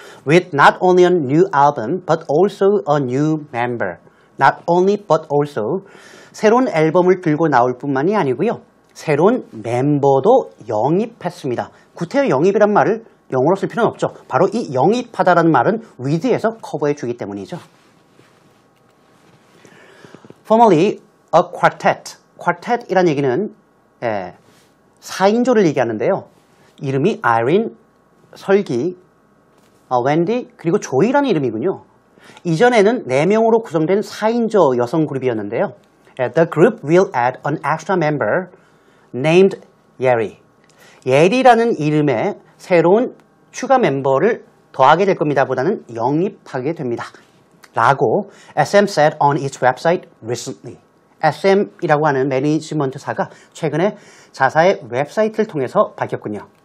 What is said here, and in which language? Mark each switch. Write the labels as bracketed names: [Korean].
[English] With not only a new album but also a new member. [Korean] Not only but also 새로운 앨범을 들고 나올 뿐만이 아니고요. 새로운 멤버도 영입했습니다. 구태여 영입이란 말을 영어로 쓸 필요는 없죠. 바로 이 영입하다라는 말은 with에서 커버해 주기 때문이죠. [English] Formerly a quartet. [Korean] Quartet이란 얘기는 4인조를 얘기하는데요. 이름이 Irene, 설기, Wendy, 그리고 조이라는 이름이군요. 이전에는 4명으로 구성된 4인조 여성 그룹이었는데요. [English] The group will add an extra member named Yeri. [Korean] Yeri라는 이름의 새로운 추가 멤버를 더하게 될 겁니다. 보다는 영입하게 됩니다. [English] 라고 SM said on its website recently. [Korean] SM이라고 하는 매니지먼트사가 최근에 자사의 웹사이트를 통해서 밝혔군요.